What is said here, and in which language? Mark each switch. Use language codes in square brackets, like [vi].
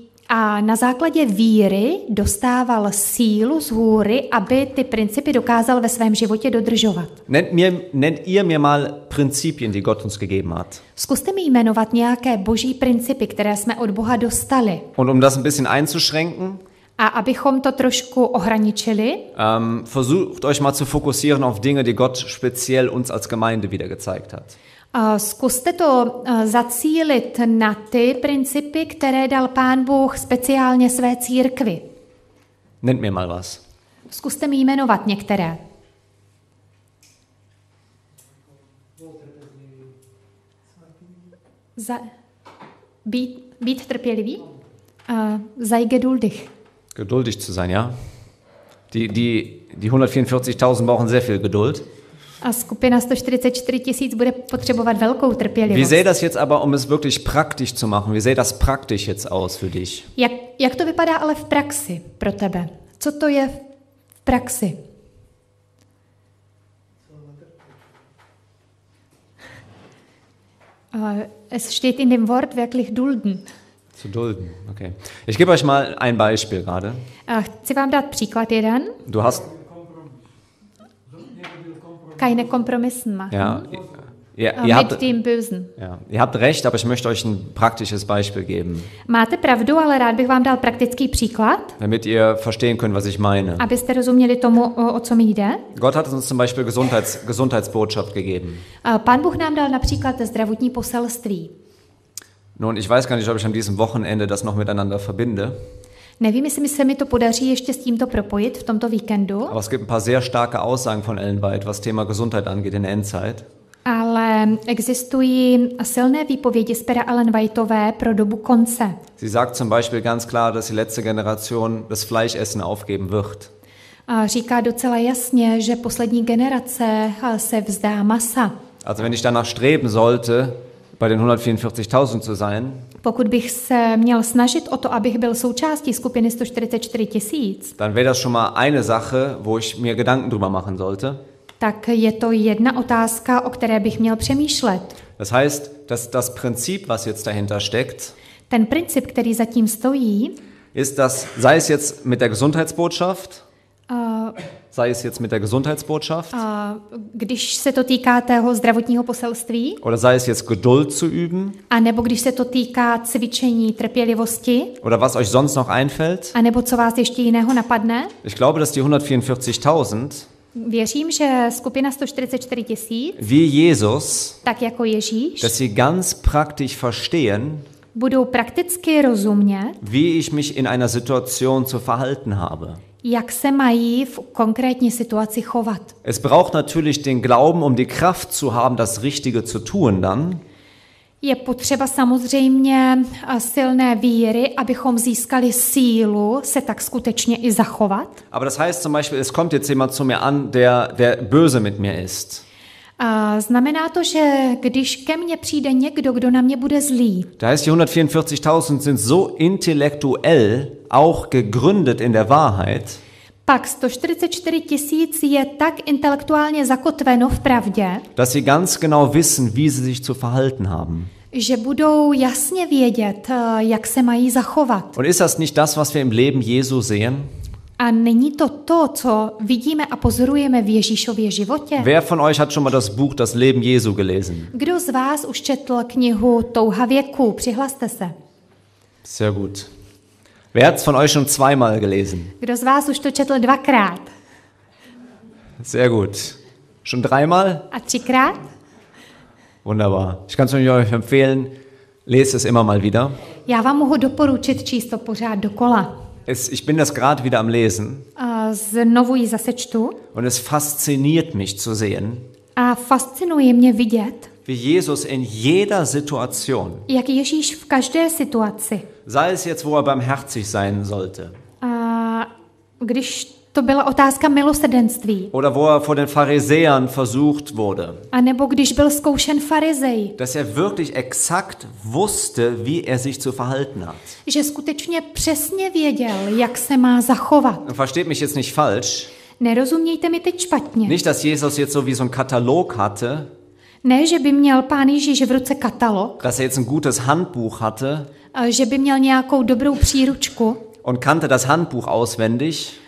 [cs] A na základě víry dostával sílu z hůry, aby ty principy dokázal ve svém životě dodržovat. [de] Nennt ihr mir mal Prinzipien, die Gott uns gegeben hat. [cs] Zkuste mi jmenovat nějaké boží principy, které jsme od Boha dostali. [de] Und das ein bisschen einzuschränken, [cs] a abychom to trošku ohraničili. [de] Versucht euch mal zu fokussieren auf Dinge, die Gott speziell uns als Gemeinde wieder gezeigt hat. [cs] Zkuste to zacílit na ty principy, které dal Pán Bůh speciálně své církvi. [de] Nennt mir mal was. [cs] Zkuste mi jmenovat některé. Být trpělivý? [de] Sei geduldig. Geduldig zu sein, ja. Die 144.000 brauchen sehr viel Geduld. [cs] A skupina 144.000 bude potřebovat velkou trpělivost. [de] Wie sieht das jetzt aber, um es wirklich praktisch zu machen? Wie sieht das praktisch jetzt aus für dich? [cs] Jak to vypadá ale v praxi pro tebe? Co to je v praxi? [de] Es steht in dem Wort wirklich dulden. Zu dulden. Okay. Ich gebe euch mal ein Beispiel gerade. [cs] Chci vám dát příklad jeden. [de] Du hast keine Kompromisse machen. Ja. Ihr habt recht, aber ich möchte euch ein praktisches Beispiel geben. [cs] Máte pravdu, ale rád bych vám dal praktický příklad. [de] Damit ihr verstehen könnt, was ich meine. [cs] Abyste rozuměli tomu, o co mi jde. [de] Gott hat uns zum Beispiel Gesundheitsbotschaft gegeben. [cs] Pán Bůh nám dal například zdravotní poselství. [de] Nun, ich weiß gar nicht, ob ich an diesem Wochenende das noch miteinander verbinde. [cs] Nevím, jestli se mi to podaří ještě s tímto propojit v tomto víkendu. [de] Aber es gibt ein paar sehr starke Aussagen von Ellen White, was Thema Gesundheit angeht in der Endzeit. [cs] Ale existují silné výpovědi z pera Ellen Whiteové pro dobu konce. [de] Sie sagt zum Beispiel ganz klar, dass die letzte Generation das Fleischessen aufgeben wird. [cs] A říká docela jasně, že poslední generace se vzdá masa. [de] Also wenn ich danach streben sollte, bei den 144.000 zu sein. [cs] Pokud bych se měl snažit o to, abych byl součástí skupiny 144.000. [de] Dann wäre das schon mal eine Sache, wo ich mir Gedanken drüber machen sollte. [cs] Tak je to jedna otázka, o které bych měl přemýšlet. [de] Das heißt, dass das Prinzip, was jetzt dahinter steckt, [cs] ten princip, který zatím stojí, [de] ist das, sei es jetzt mit der Gesundheitsbotschaft, sei es jetzt mit der Gesundheitsbotschaft, [cs] když se to týká tého zdravotního poselství, [de] oder sei es jetzt Geduld zu üben, [cs] a nebo když se to týká cvičení trpělivosti, [de] oder was euch sonst noch einfällt, [cs] a nebo co vás ještě jiného napadne. [de] Ich glaube, dass die 144.000, [cs] věřím, že skupina 144 tisíc, [de] wie Jesus, [cs] tak jako Ježíš, [de] dass sie ganz praktisch verstehen, [cs] budou prakticky rozumně, [de] wie ich mich in einer Situation zu verhalten habe. [cs] Jak se mají v konkrétní situaci chovat. [de] Es braucht natürlich den Glauben, um die Kraft zu haben, das Richtige zu tun dann. [cs] Je potřeba samozřejmě silné víry, abychom získali sílu se tak skutečně i zachovat. [de] Aber das heißt zum Beispiel, es kommt jetzt jemand zu mir an, der böse mit mir ist. [cs] Znamená to, že když ke mně přijde někdo, kdo na mě bude zlý. [de] Da heißt, die 144.000 sind so intellektuell auch gegründet in der Wahrheit. [cs] Pak 144 tisíc je tak intelektuálně zakotveno v pravdě. [de] Dass sie ganz genau wissen, wie sie sich zu verhalten haben. [cs] Že budou jasně vědět, jak se mají zachovat. [de] Und ist das nicht das, was wir im Leben Jesu sehen? [cs] A není to to, co vidíme a pozorujeme v Ježíšově životě? [de] Wer von euch hat schon mal das Buch Das Leben Jesu gelesen? [cs] Kdo z vás už četl knihu Touha věku? Přihlaste se. [de] Sehr gut. Wer hat's von euch schon zweimal gelesen? [cs] Kdo z vás už to četl dvakrát? [de] Sehr gut. Schon dreimal? [cs] A třikrát? [de] Wunderbar. Ich kann es euch empfehlen, lest es immer mal wieder. [cs] Já vám mohu doporučit číst to pořád dokola. [de] Ich bin das gerade wieder am Lesen. [cs] Znovu ji zase čtu. [de] Und es fasziniert mich zu sehen. [cs] A fascinuje mě vidět. [de] Wie Jesus in jeder Situation. [cs] Jak Ježíš v každé situaci. [de] Sei es jetzt, wo er barmherzig sein sollte. [cs] Když to byla otázka milosrdenství. [de] Oder wo er vor den Pharisäern versucht wurde. [cs] A nebo když byl zkoušen farizej. [de] Dass er wirklich exakt wusste, wie er sich zu verhalten hat. [cs] Že skutečně přesně věděl, jak se má zachovat. [de] Versteht mich jetzt nicht falsch. [cs] Nerozumějte mi teď špatně. [de] Nicht, dass Jesus jetzt so wie so ein Katalog hatte. [cs] Ne, že by měl Pán Ježíš v ruce katalog. [de] Dass er jetzt ein gutes Handbuch hatte. [cs] Že by měl nějakou dobrou příručku. [de] Und kannte das Handbuch auswendig.